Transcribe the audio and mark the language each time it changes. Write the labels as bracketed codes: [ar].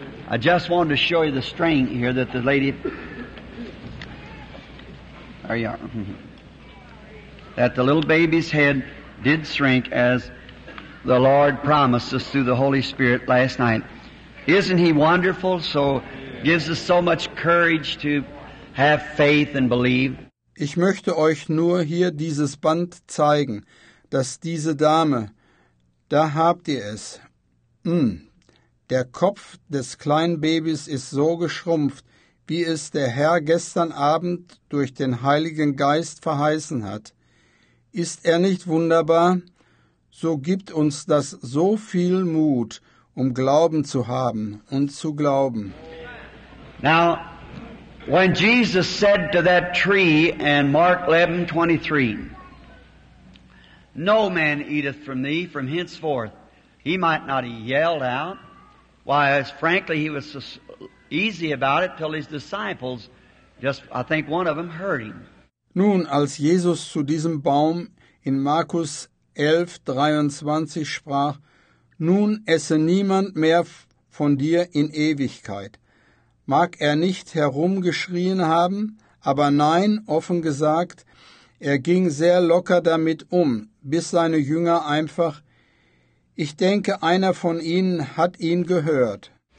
[en] I just wanted to show you the string here that the lady that the little baby's head did shrink as the Lord promised us through the Holy Spirit last night. Isn't he wonderful? So gives us so much courage to have faith and believe. [de] Ich möchte euch nur hier dieses Band zeigen, dass diese Dame, da habt ihr es. Der Kopf des kleinen Babys ist so geschrumpft, wie es der Herr gestern Abend durch den Heiligen Geist verheißen hat. Ist er nicht wunderbar? So gibt uns das so viel Mut, um Glauben zu haben und zu glauben. [en] Now, when Jesus said to that tree in Mark 11:23, no man eateth from thee from henceforth, he might not have yelled out. Why, as frankly, he was so easy about it till his disciples, just I think one of them heard him. [de] Nun, als Jesus zu diesem Baum in Markus 11:23 sprach, nun esse niemand mehr von dir in Ewigkeit. Mag er nicht herumgeschrien haben, aber nein, offen gesagt, er ging sehr locker damit um, bis seine Jünger einfach, ich denke, einer von ihnen hat ihn gehört.